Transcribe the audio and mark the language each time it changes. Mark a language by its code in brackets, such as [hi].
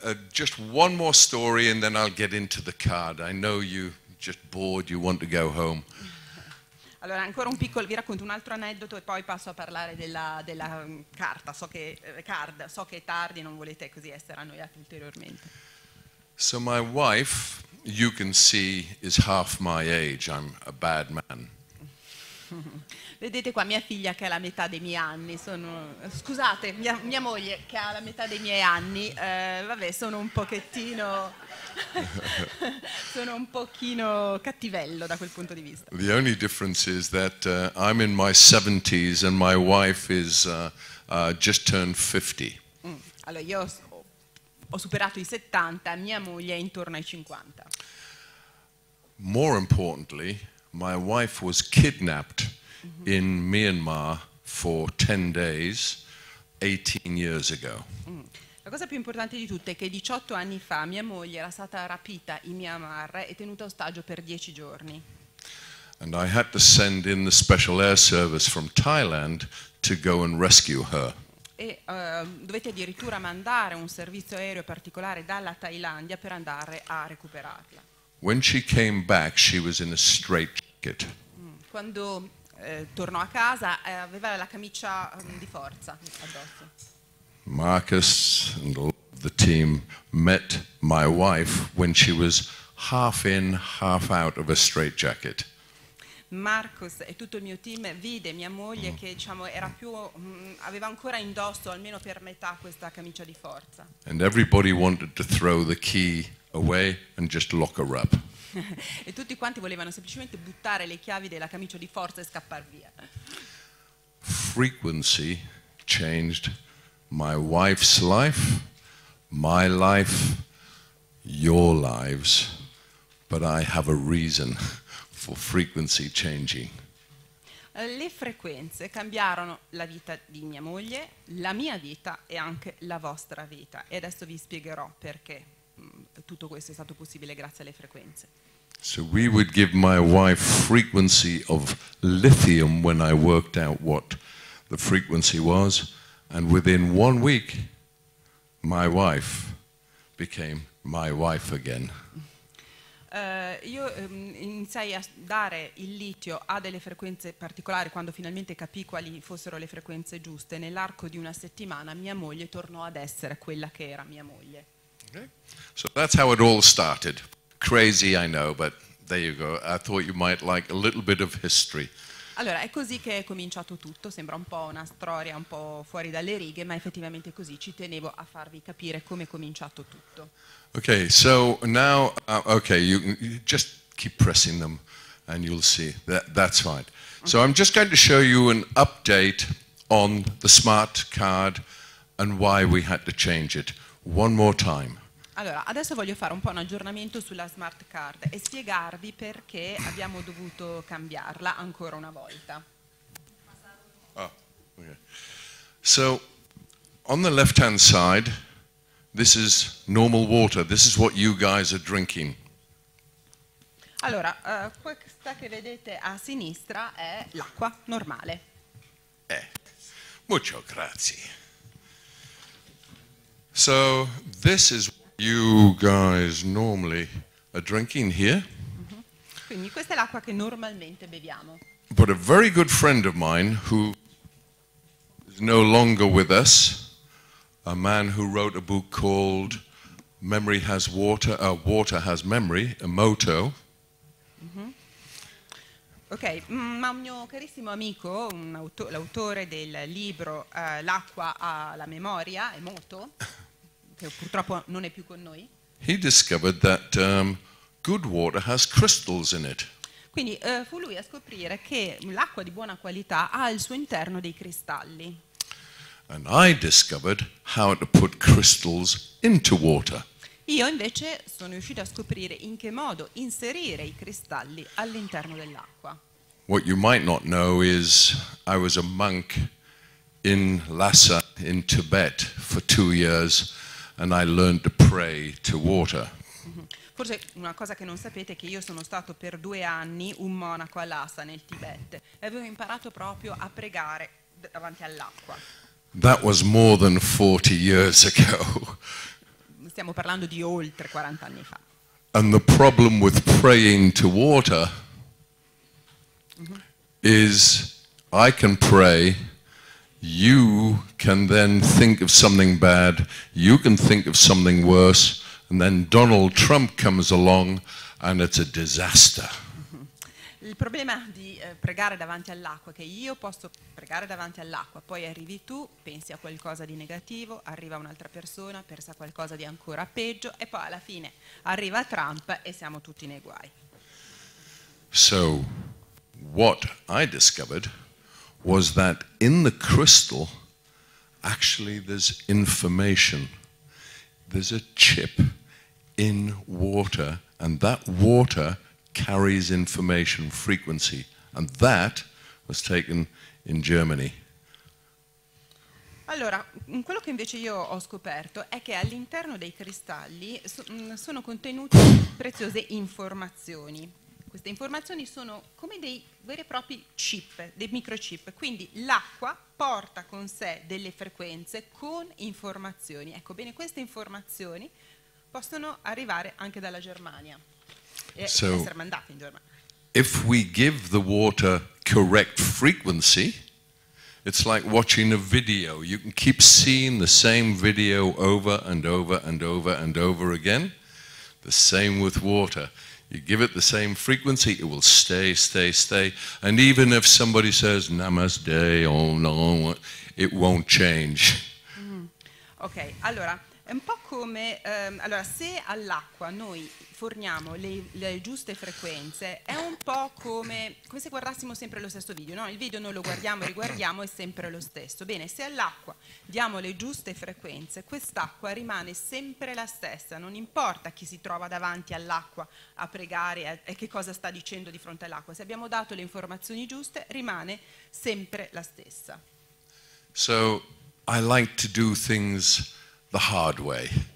[en] Just one more story and then I'll get into the card. I know you just bored, you want to go home. [it] Allora, ancora un piccolo, vi racconto un altro aneddoto e poi passo a parlare della carta. So che è tardi, non volete così essere annoiati ulteriormente. [en] So my wife, you can see, is half my age. I'm a bad man. [it] Vedete qua mia figlia che ha la metà dei miei anni, mia moglie che ha la metà dei miei anni, vabbè, sono un pochettino, sono un pochino cattivello da quel punto di vista. [en] The only difference is that I'm in my 70s and my wife is just turned 50. [it] Allora io ho superato i 70, mia moglie è intorno ai 50. [en] More importantly, my wife was kidnapped in Myanmar for 10 days 18 years ago. [it] La cosa più importante di tutte è che 18 anni fa mia moglie era stata rapita in Myanmar e tenuta ostaggio per 10 giorni. [en] And I had to send in the special air service from Thailand to go and rescue her. [it] E dovete addirittura mandare un servizio aereo particolare dalla Thailandia per andare a recuperarla. [en] When she came back she was in a straight jacket. [it] Quando tornò a casa aveva la camicia di forza addosso. [en] Marcus and the team met my wife when she was half in, half out of a straight jacket. [it] Marcus e tutto il mio team vide mia moglie che diciamo era più aveva ancora indosso almeno per metà questa camicia di forza. [en] And everybody wanted to throw the key away and just lock her up. [it] E tutti quanti volevano semplicemente buttare le chiavi della camicia di forza e scappar via. [en] Frequency changed my wife's life, my life, your lives, but I have a reason for frequency changing. [it] Le frequenze cambiarono la vita di mia moglie, la mia vita e anche la vostra vita. E adesso vi spiegherò perché tutto questo è stato possibile grazie alle frequenze. [en] So we would give my wife frequency of lithium when I worked out what the frequency was, and within 1 week my wife became my wife again. [it] Io iniziai a dare il litio a delle frequenze particolari quando finalmente capì quali fossero le frequenze giuste. Nell'arco di una settimana mia moglie tornò ad essere quella che era mia moglie. [en] Okay. So that's how it all started. Crazy, I know, but there you go. I thought you might like a little bit of history. [it] Allora, è così che è cominciato tutto. Sembra un po' una storia un po' fuori dalle righe, ma effettivamente così. Ci tenevo a farvi capire come è cominciato tutto. [en] Okay, so now, okay, you just keep pressing them and you'll see. That's fine. Okay. So I'm just going to show you an update on the smart card and why we had to change it. One more time. [it] Allora, adesso voglio fare un po' un aggiornamento sulla smart card e spiegarvi perché abbiamo dovuto cambiarla ancora una volta. [en] Oh, okay. So, on the left hand side, this is normal water. This is what you guys are drinking. [it] Allora, questa che vedete a sinistra è l'acqua normale. Mucho grazie. [en] So, this is what you guys normally are drinking here. [it] Mm-hmm. Quindi questa è l'acqua che normalmente beviamo. [en] But a very good friend of mine, who is no longer with us, a man who wrote a book called Memory Has Water, Water Has Memory, Emoto. [it] Ok, ma un mio carissimo amico, l'autore del libro L'acqua ha la memoria, Emoto, che purtroppo non è più con noi. [en] He discovered that good water has crystals in it. [it] Quindi fu lui a scoprire che l'acqua di buona qualità ha al suo interno dei cristalli. [en] And I discovered how to put crystals into water. [it] Io invece sono riuscito a scoprire in che modo inserire i cristalli all'interno dell'acqua. [en] What you might not know is I was a monk in Lhasa in Tibet for 2 years and I learned to pray to water. [it] Forse una cosa che non sapete è che io sono stato per 2 anni un monaco a Lhasa nel Tibet e avevo imparato proprio a pregare davanti all'acqua. [en] That was more than 40 years ago. [it] Stiamo parlando di oltre 40 anni fa. [en] And the problem with praying to water is I can pray, you can then think of something bad, you can think of something worse, and then Donald Trump comes along and it's a disaster. [it] Il problema di pregare davanti all'acqua, che io posso pregare davanti all'acqua, poi arrivi tu, pensi a qualcosa di negativo, arriva un'altra persona, pensa a qualcosa di ancora peggio, e poi alla fine arriva Trump e siamo tutti nei guai. [en] So, what I discovered was that in the crystal, actually there's information. There's a chip in water, and that water carries information frequency, and that was taken in Germany. [it] Allora, quello che invece io ho scoperto è che all'interno dei cristalli sono contenute preziose informazioni. Queste informazioni sono come dei veri e propri chip, dei microchip. Quindi l'acqua porta con sé delle frequenze con informazioni. Ecco, bene, queste informazioni possono arrivare anche dalla Germania. [en] So, if we give the water correct frequency, it's like watching a video. You can keep seeing the same video over and over and over and over again. The same with water. You give it the same frequency, it will stay. And even if somebody says namaste, oh no, it won't change. [it] Ok, allora, è un po' come, allora, se all'acqua noi forniamo le giuste frequenze, è un po' come se guardassimo sempre lo stesso video, no? Il video non lo guardiamo, riguardiamo, è sempre lo stesso. Bene, se all'acqua diamo le giuste frequenze, quest'acqua rimane sempre la stessa, non importa chi si trova davanti all'acqua a pregare e che cosa sta dicendo di fronte all'acqua, se abbiamo dato le informazioni giuste, rimane sempre la stessa. [en] So, I like to do things the hard way.